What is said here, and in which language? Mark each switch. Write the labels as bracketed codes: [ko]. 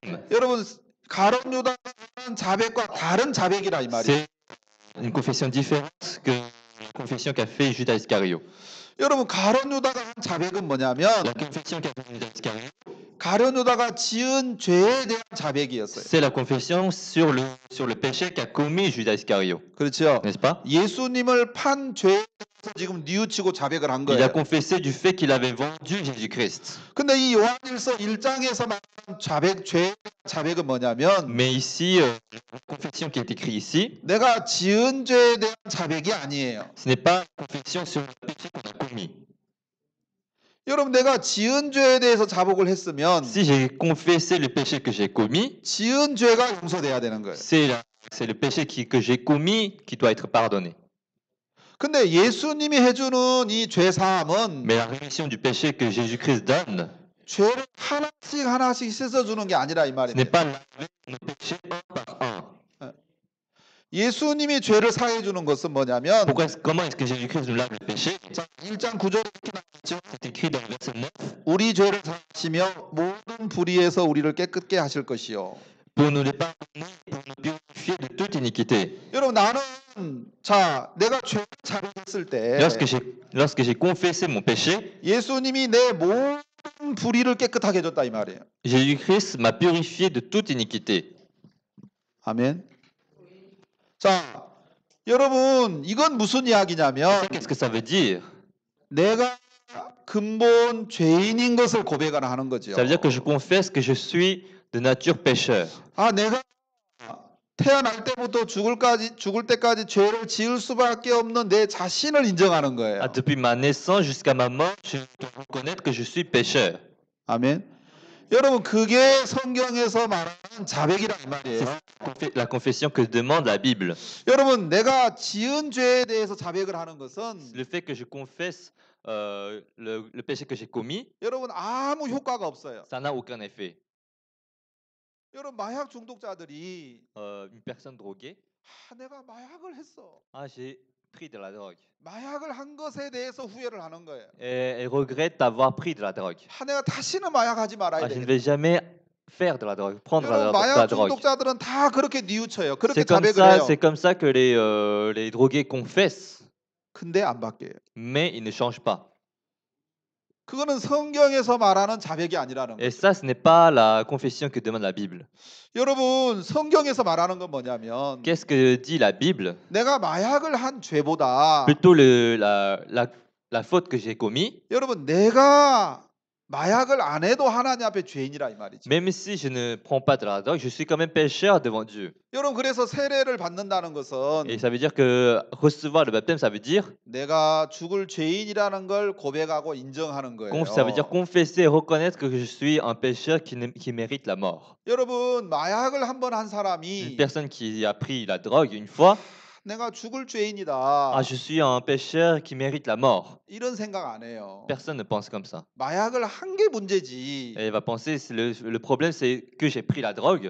[ko] 여러분 가룟유다는 자백과 다른 자백이라 이 말이에요. [fr] C'est une confession différente que la confession qu'a fait Judas Iscariot. [ko] 여러분 가룟유다가 한 자백은 뭐냐면 [fr] La confession qu'a fait Judas Iscariot. [ko] 가룟유다가 지은 죄에 대한 자백이었어요. [fr] C'est la confession sur le péché qu'a commis Judas Iscariot. [ko] 그렇죠. [fr] N'est-ce pas? [ko] 예수님을 판 죄에 대해서 지금 뉘우치고 자백을 한 거예요. [fr] Il a confessé du fait qu'il avait vendu Jésus-Christ. [ko] 근데 이 요한일서 1장에서 말한 자백 죄 자백은 뭐냐면 [fr] Mais ici, confession qui est écrit ici, [ko] 내가 지은 죄에 대한 자백이 아니에요. [fr] Ce n'est pas confession sur le péché qu'on a commis. [ko] 여러분 내가 지은 죄에 대해서 자복을 했으면 [fr] Si j'ai confessé le péché que j'ai commis, [ko] 지은 죄가 용서돼야 되는 거예요. [fr] C'est le péché que j'ai commis qui doit être pardonné. [ko] 근데 예수님이 해 주는 이 죄 사함은 [fr] Mais la rémission du péché que Jésus-Christ donne, [ko] 죄를 하나씩 하나씩 씻어 주는 게 아니라 이 말이에요. [fr] Ce n'est pas la rémission du péché un par un. [ko] 예수님이 죄를 사해 주는 것은 뭐냐면 [fr] comment est-ce que Jésus-Christ nous lave le péché? [ko] 자, 1장 9절에 이렇게 나왔죠. [fr] C'est écrit dans verset 9. [ko] 우리 죄를 사하시며 모든 불의에서 우리를 깨끗게 하실 것이요. [fr] Pour nous pardonner, pour nous purifier de toute iniquité. [ko] 여러분 나는 자, 내가 죄를 자백했을 때 [fr] lorsque j'ai confessé mon péché, [ko] 예수님이 내 모든 불의를 깨끗하게 해 줬다 이 말이에요. [fr] Jésus-Christ m'a purifié de toute iniquité. [ko] 아멘. 자, 여러분 이건 무슨 이야기냐면 [fr] Qu'est-ce que ça veut dire? [ko] 내가 근본 죄인인 것을 고백을 하는 거죠. [fr] Ça veut dire que je confesse que je suis de nature pécheur. [ko] 아, 내가 태어날 때부터 죽을 때까지 죄를 지을 수밖에 없는 내 자신을 인정하는 거예요. [fr] Ah, depuis ma naissance jusqu'à ma mort, je dois reconnaître que je suis pécheur. [ko] 아멘. 여러분 그게 성경에서 말하는 자백이란 말이에요. [fr] La confession que demande la Bible. [ko] 여러분 내가 지은 죄에 대해서 자백을 하는 것은 [fr] le fait que je confesse le péché que j'ai commis. [ko] 여러분 아무 효과가 없어요. [fr] Ça n'a aucun effet. [ko] 여러분 마약 중독자들이 [fr] une personne droguée. [ko] 아, 내가 마약을 했어. [fr] Ah, j'ai pris de la drogue. [ko] 마약을 한 것에 대해서 후회를 하는 거예요. [fr] Elle regrette d'avoir pris de la drogue. [ko] 아, 내가 다시는 마약하지 말아야 돼. [fr] Je ne vais jamais faire de la drogue, prendre de la drogue. [ko] 마약 중독자들은 다 그렇게 뉘우쳐요. 그렇게 [fr] comme [ko] 자백을 해요. [fr] C'est comme ça que les drogués confessent. [ko] 근데 안 바뀌어요. [fr] Mais ils ne changent pas. [ko] 그거는 성경에서 말하는 자백이 아니라는 거예요. [fr] Et ça, ce n'est pas la confession que demande la Bible. [ko] 여러분, 성경에서 말하는 건 뭐냐면 [fr] Qu'est-ce que dit la Bible? [ko] 내가 마약을 한 죄보다 [fr] Plutôt la faute que j'ai commis. [ko] 여러분, 내가 마약을 안 해도 하나님 앞에 죄인이라 이 말이지. [fr] Même si je ne prends pas de la drogue, je suis quand même pécheur devant Dieu. [ko] 여러분, 그래서 세례를 받는다는 것은 [fr] Et ça veut dire que recevoir le baptême, ça veut dire [ko] 내가 죽을 죄인이라는 걸 고백하고 인정하는 거예요. [fr] Ça veut dire confesser, reconnaître que je suis un pécheur qui mérite la mort. [ko] 여러분, 마약을 한 번 한 사람이 [fr] Une personne qui a pris la drogue une fois [ko] 내가 죽을 죄인이다. [fr] 아, je suis un pécheur qui mérite la mort. [ko] 이런 생각 안 해요. [fr] Personne ne pense comme ça. [ko] 마약을 한 게 문제지. [fr] Elle va penser le problème c'est que j'ai pris la drogue.